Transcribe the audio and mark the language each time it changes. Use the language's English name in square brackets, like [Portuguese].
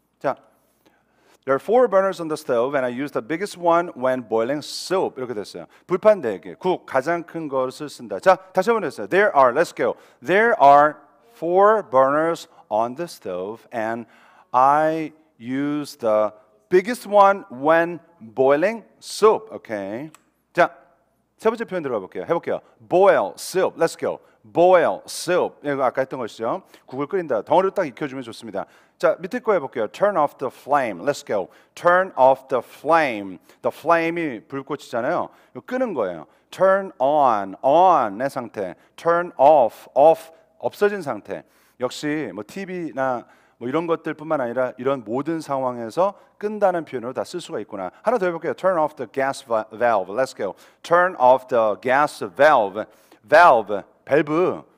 [English] 자, There are four burners on the stove, and I use the biggest one when boiling soup. [Korean] 이렇게 됐어요. 불판 네 개, 국 가장 큰 것을 쓴다. 자, 다시 한번 해보세요. There are, let's go. [English] There are four burners on the stove, and I use the biggest one when boiling soup. Okay. [Korean] 자, 세 번째 표현 들어가 볼게요. [English] 해볼게요. Boil soup. Let's go. Boil soup. [Korean] 이거 아까 했던 것이죠. 국을 끓인다. 덩어리를 딱 익혀주면 좋습니다. [English] 자, 밑에 거 해볼게요. Turn off the flame. Let's go. Turn off the flame. [Korean] The flame이 불꽃이잖아요. 이거 끄는 거예요. Turn on. On의 상태. Turn off. Off. 없어진 상태. 역시 뭐 TV나 뭐 이런 것들뿐만 아니라 이런 모든 상황에서 끈다는 표현으로 다 쓸 수가 있구나. 하나 더 해볼게요. [English] Turn off the gas valve. Let's go. Turn off the gas valve. Valve. 밸브.